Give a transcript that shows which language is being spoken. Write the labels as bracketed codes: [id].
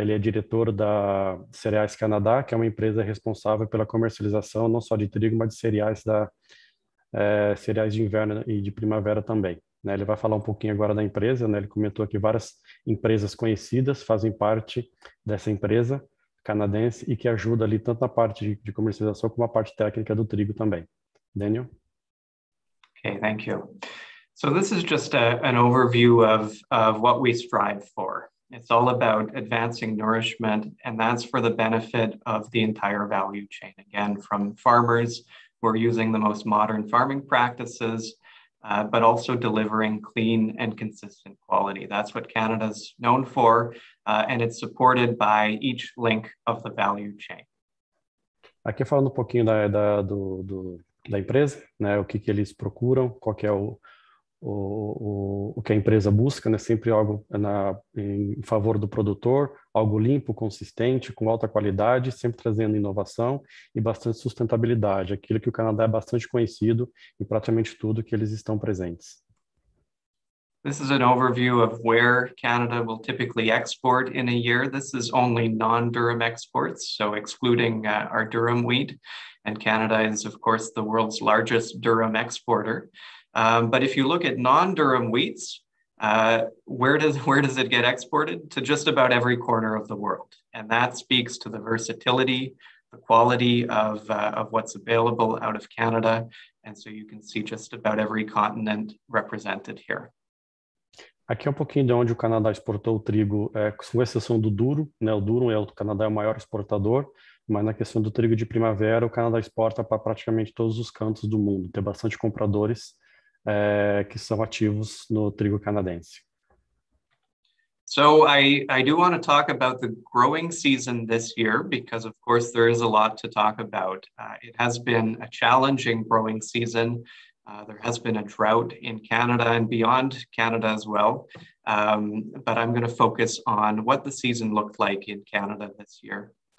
[pt] Ele é diretor da Cereais Canadá, que é uma empresa responsável pela comercialização não só de trigo, mas de cereais cereais de inverno e de primavera também, né? Ele vai falar um pouquinho agora da empresa, né? Ele comentou que várias empresas conhecidas fazem parte dessa empresa canadense e que ajuda ali tanto na parte de comercialização como a parte técnica do trigo também. Daniel. [en] Okay, thank you. So this is just an overview of what we strive for. It's all about advancing nourishment, and that's for the benefit of the entire value chain. Again, from farmers who are using the most modern farming practices, but also delivering clean and consistent quality. That's what Canada's known for, and it's supported by each link of the value chain. [pt] Aqui falando um pouquinho da empresa, né? O que que eles procuram, qual que é o que a empresa busca, né? Sempre algo em favor do produtor, algo limpo, consistente, com alta qualidade, sempre trazendo inovação e bastante sustentabilidade, aquilo que o Canadá é bastante conhecido e praticamente tudo que eles estão presentes. [en] This is an overview of where Canada will typically export in a year. This is only non-durum exports, so excluding our durum wheat. And Canada is, of course, the world's largest durum exporter. But if you look at non-durum wheats, where does it get exported? To just about every corner of the world. And that speaks to the versatility, the quality of what's available out of Canada. And so you can see just about every continent represented here. [pt] Aqui é um pouquinho de onde o Canadá exportou o trigo, com exceção do duro, né? O duro é o Canadá é o maior exportador, mas na questão do trigo de primavera, o Canadá exporta para praticamente todos os cantos do mundo. Tem bastante compradores que são ativos no trigo canadense. [en] So I do want to talk about the growing season this year, because of course there is a lot to talk about. It has been a challenging growing season. There has been a drought in Canada and beyond Canada as well, but I'm going to focus on what the season looked like in Canada this year.